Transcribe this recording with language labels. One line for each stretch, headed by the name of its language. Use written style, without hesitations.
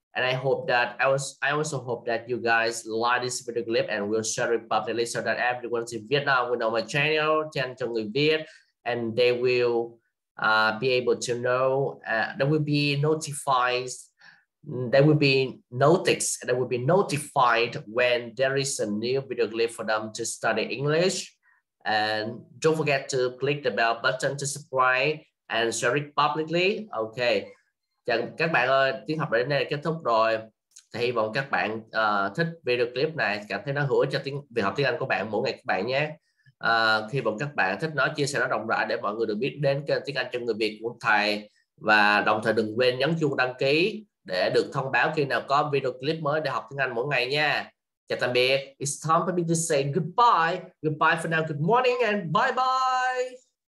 English: And I hope that I also hope that you guys like this video clip and will share it publicly so that everyone in Vietnam will know my channel, Tiếng, chưa, người, Việt, and they will be able to know, that will be notified when there is a new video clip for them to study English. And don't forget to click the bell button to subscribe and share it publicly. Okay.
Vietnamese: Chào các bạn ơi, tiếng học đến đây là kết thúc rồi. Thì hy vọng các bạn thích video clip này, cảm thấy nó hữu ích cho việc học tiếng Anh của bạn mỗi ngày các bạn nhé. Hy vọng các bạn thích nó, chia sẻ nó rộng rãi để mọi người được biết đến kênh Tiếng Anh cho người Việt của thầy. Và đồng thời đừng quên nhấn chuông đăng ký để được thông báo khi nào có video clip mới để học tiếng Anh mỗi ngày nha. Chào tạm biệt.
English: It's time for me to say goodbye. Goodbye for now, good morning and bye bye.